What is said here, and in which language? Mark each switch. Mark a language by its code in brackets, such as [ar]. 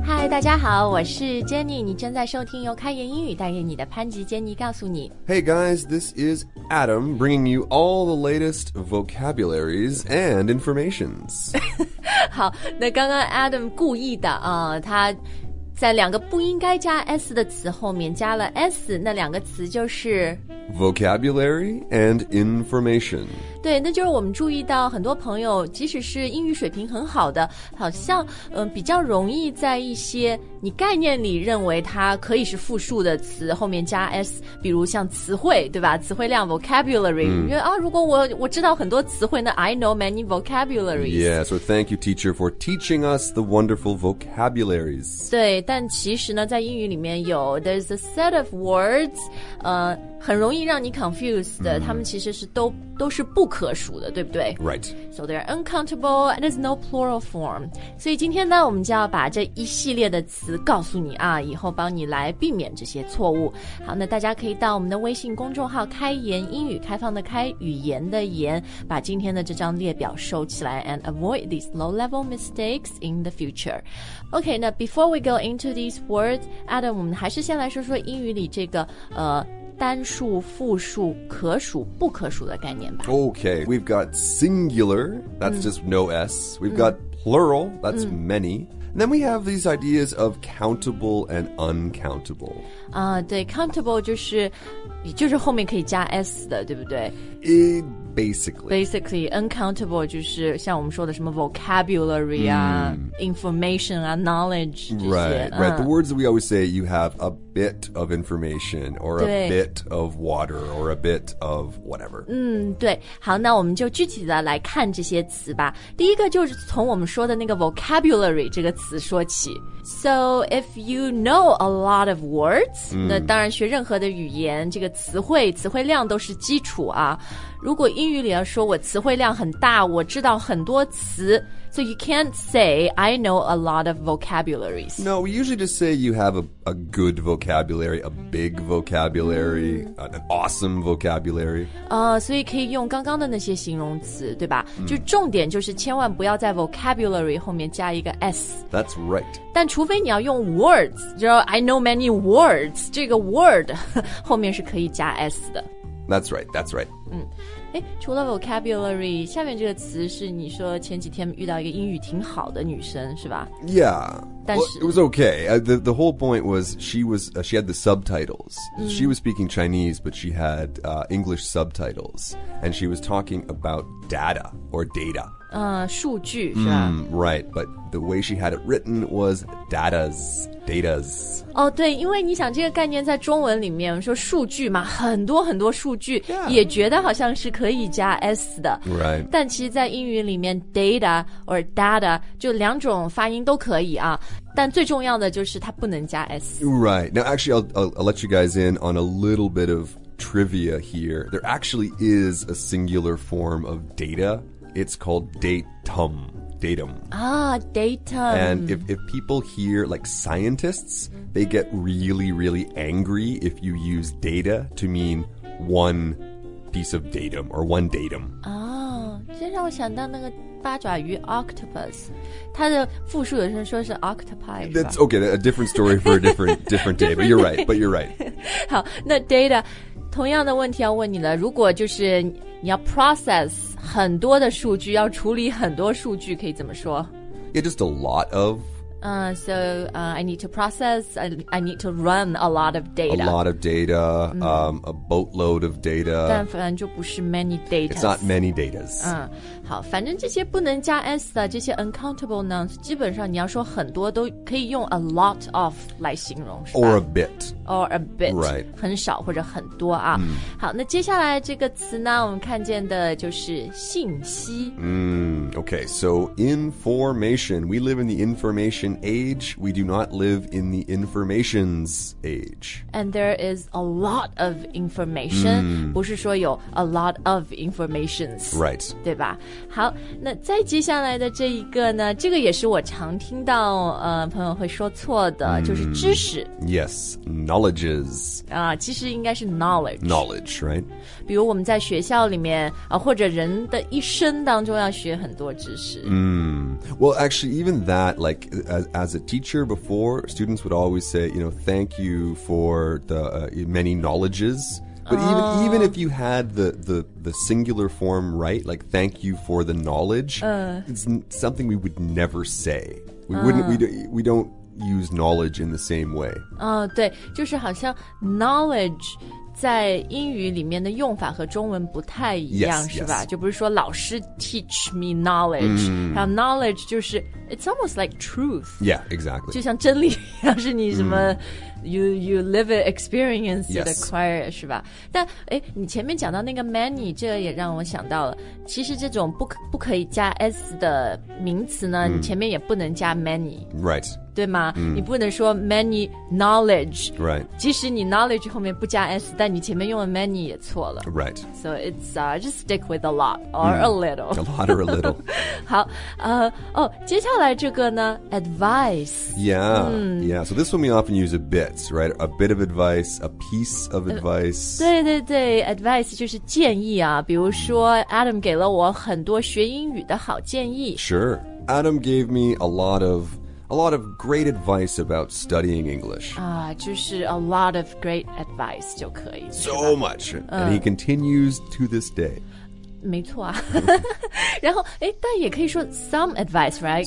[zh] 大家好，我是 Jenny， 你正在收听由开言英语带给你的潘吉 Jenny 告诉你。 [en] Hey guys, this is Adam, bringing you all the latest vocabularies and informations. [zh] 好，那刚刚 Adam 故意的啊、他在两个不应该加 S 的词后面加了 S， 那两个词就是 [en] Vocabulary and information。 [zh] 对，那就是我们注意到很多朋友即使是英语水平很好的，好像、比较容易在一些你概念里认为它可以是复数的词后面加 S， 比如像词汇，对吧，词汇量 vocabulary、因为啊，如果 我知道很多词汇，那 [en] I know many vocabularies. Yeah, so thank you teacher for teaching us the wonderful vocabularies. [zh] 对，但其实呢在英语里面有 [en] there's a set of words、 [zh] 很容易让你 confused 的、他们其实是都是不可数的，对不对？ [en] Right. So they're uncountable and there's no plural form. [zh] 所以今天呢我们就要把这一系列的词告诉你啊，以后帮你来避免这些错误。好，那大家可以到我们的微信公众号开言英语，开放的开，语言的言，把今天的这张列表收起来 [en] and avoid these low-level mistakes in the future. [zh] OK, 那 [en] before we go into these words, [zh] Adam, 我们还是先来说说英语里这个单数、复数、可数、不可数的概念吧。 [en] Okay, we've got singular, that's just no S. We've got plural, that's many. And then we have these ideas of countable and uncountable. [zh] 啊、对 ,countable 就是后面可以加 S 的，对不对？ [en] Basically, [zh] uncountable 就是像我们说的什么 vocabulary 啊、information 啊、knowledge 这些。 [en] Right. The words that we always say, you have a bit of information, or a bit of water, or a bit of whatever. [zh] 嗯，对。好，那我们就具体的来看这些词吧。第一个就是从我们说的那个 vocabulary 这个词说起。 [en] So if you know a lot of words,、 [zh] 那当然学任何的语言，这个词汇量都是基础啊。如果英语里要说我词汇量很大，我知道很多词 ， [en] so you can't say I know a lot of vocabularies. No, we usually just say you have a good vocabulary, a big vocabulary,、an awesome vocabulary. [zh] 所以可以用刚刚的那些形容词，对吧？就重点就是千万不要在 vocabulary 后面加一个 s. [en] That's right. [zh] 但除非你要用 words, 就 [en] I know many words, [zh] 这个 word 后面是可以加 s 的。 [en] That's right. [zh] 除了 vocabulary, 下面这个词是你说前几天遇到一个英语挺好的女生是吧 [en] ？Yeah. [zh] 但是 [en] well, it was okay.、the whole point was she had the subtitles.、She was speaking Chinese, but she had、English subtitles, and she was talking about data or data. [zh] 数据是吧、 [en] Right, but the way she had it written was datas. Datas. [zh] 哦、oh, 对，因为你想这个概念在中文里面说数据嘛，很多很多数据、也觉得好像是可以加 S 的。 [en] Right. [zh] 但其实在英语里面 data or data 就两种发音都可以啊，但最重要的就是它不能加 S. [en] Right. Now actually I'll let you guys in on a little bit of trivia here. There actually is a singular form of data. It's called datum. Datum. Ah, datum. And if people hear, like scientists, they get really, really angry if you use data to mean one piece of datum or one datum. [zh] Ah, 这让我想到那个八爪鱼 octopus. 它的复数有人说是 octopi. [en] That's okay, a different story for a different day, but you're right. [zh] 好，那 data, 同样的问题要问你了，如果就是你要 process很多的数据，要处理很多数据，可以怎么说？ [en] Yeah, just a lot of. I need to process. I need to run a lot of data. A lot of data.、a boatload of data. [zh] 但反正就不是 [en] many data. It's not many data. [zh] 好，反正这些不能加 s 的这些 uncountable nouns， 基本上你要说很多都可以用 [en] a lot of [zh] 来形容，是吧 [en] ？Or a bit. Or a bit. Right. [zh] 很少或者很多啊。好，那接下来这个词呢，我们看见的就是信息。 [en] Okay. So information. We live in the information. information age, we do not live in the information's age. And there is a lot of information,、mm. [zh] 不是说有 [en] a lot of informations. Right. [zh] 对吧？好，那再接下来的这一个呢，这个也是我常听到、朋友会说错的、mm. 就是知识。 [en] Yes, knowledges.、 [zh] 其实应该是 knowledge. [en] Knowledge, right? [zh] 比如我们在学校里面、或者人的一生当中要学很多知识。 [en] Well, actually, even that, like, as a teacher before, students would always say, you know, thank you for the、many knowledges. But、even if you had the singular form right, like, thank you for the knowledge,、it's something we would never say. We wouldn't,、we don't use knowledge in the same way. [zh] 对，就是好像 knowledge... 在英语里面的用法和中文不太一样 [en] yes, [zh] 是吧、 [en] yes. [zh] 就不是说老师 [en] teach me knowledge、 [zh] mm. 然后 knowledge 就是 [en] it's almost like truth yeah exactly [zh] 就像真理要是你什么、 [en] you live it experience it acquire、 yes. [zh] 是吧但你前面讲到那个 many 这个也让我想到了其实这种不可以加 s 的名词呢、mm. 你前面也不能加 many [en] right [zh] 对吗、嗯、你不能说 [en] many knowledge、 right. [zh] 即使你 knowledge 后面不加 s 但你前面用了 many 也错了 [en] right so it's、just stick with a lot or、mm. a little a lot or a little [zh] 好、接下来这个呢 advice [en] yeah、嗯、yeah so this one we often use a bit right a bit of advice a piece of advice、 [zh] 对对对 advice 就是建议啊比如说 Adam 给了我很多学英语的好建议 [en] sure Adam gave me a lot of great advice about studying English. [zh] 就是 [en] a lot of great advice [zh] 就可以 [en] So much. And he continues to this day. [zh] 没错啊。然后但也可以说 [en] some advice, right?